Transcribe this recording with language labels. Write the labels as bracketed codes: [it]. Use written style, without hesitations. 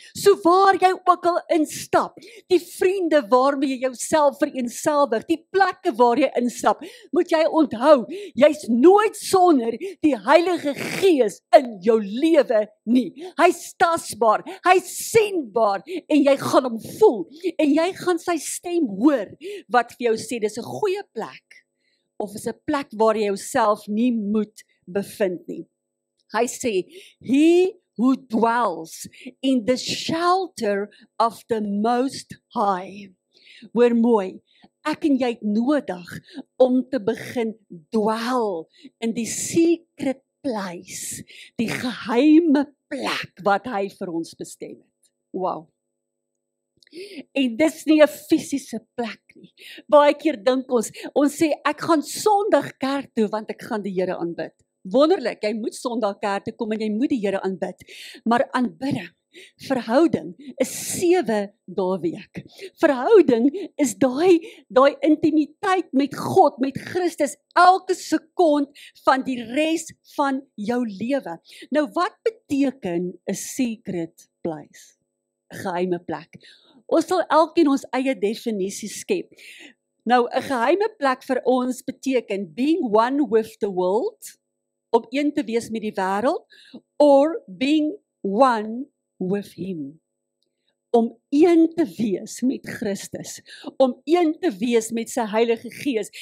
[af] So waar jy ook al instap, die vriende waarmee jy jouself vereenselwig, die plekke waar jy instap, moet jy onthou, jy's nooit sonder die Heilige Gees in jou lewe nie. Hy's tasbaar, hy's sienbaar en jy gaan hom voel en jy gaan sy stem hoor wat vir jou sê, dis 'n goeie plek of is 'n plek waar jy jouself nie moet bevind nie. Hy sê, [en] he who dwells in the shelter of the Most High. [af] Hoor mooi, ek en jy het nodig om te begin dwel in die secret place, die geheime plek wat hy vir ons bestem het. Wow. En dis nie 'n fisiese plek nie. Baie keer dink ons sê ek gaan Sondag kerk toe want ek gaan die Here aanbid. Wonderlik, jy moet Sondag kerk toe kom en jy moet die Here aanbid. Maar aanbidding, verhouding is 7 dae week. Verhouding is daai intimiteit met God, met Christus elke sekond van die res van jou lewe. Nou wat beteken 'n secret place? 'N geheime plek. Ons sal elkeen ons eie definisie skep. Nou, 'n geheime plek vir ons beteken [en] being one with the world, [af] om een te wees met die wêreld, [en] or being one with Him. [af] Om een te wees met Christus, om een te wees met sy Heilige Gees.